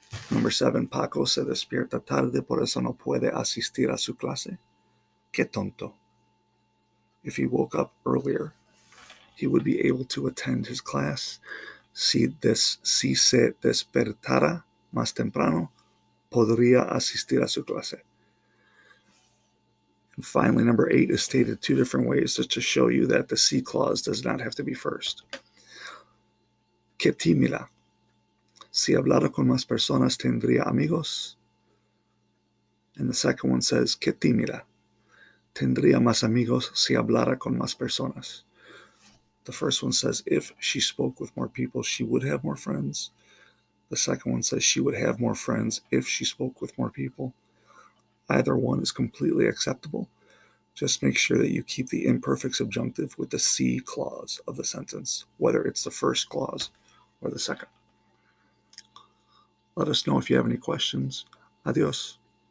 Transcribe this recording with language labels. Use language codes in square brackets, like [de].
[en] Number seven, [es] Paco se despierta tarde, por eso no puede asistir a su clase. Qué tonto. [en] If he woke up earlier, he would be able to attend his class. [es] Si se despertara más temprano, podría asistir a su clase. [en] And finally, number eight is stated two different ways just to show you that the si clause does not have to be first. [es] Qué tímida. Si hablara con más personas, tendría amigos. [en] And the second one says, [es] qué tímida. Tendría más amigos si hablara con más personas. [en] The first one says, if she spoke with more people, she would have more friends. The second one says, she would have more friends if she spoke with more people. Either one is completely acceptable. Just make sure that you keep the imperfect subjunctive with the C clause of the sentence, whether it's the first clause or the second. Let us know if you have any questions. Adios.